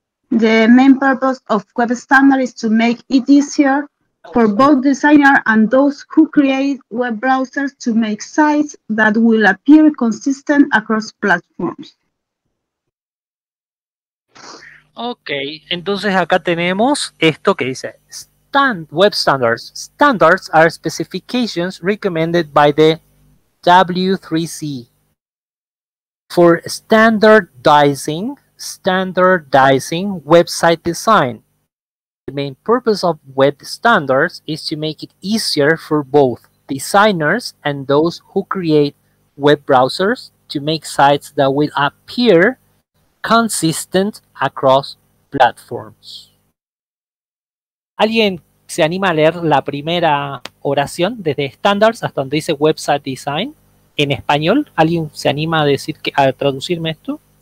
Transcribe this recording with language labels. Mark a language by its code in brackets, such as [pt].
[en] The main purpose of web standards is to make it easier for both designers and those who create web browsers to make sites that will appear consistent across platforms. [es] Ok, entonces acá tenemos esto que dice web standards. [en] Standards are specifications recommended by the W3C for standardizing website design. The main purpose of web standards is to make it easier for both designers and those who create web browsers to make sites that will appear consistent across platforms. [es] ¿Alguien se anima a leer la primera oración desde standards hasta donde dice website design en español? ¿Alguien se anima a decir que a traducirme esto?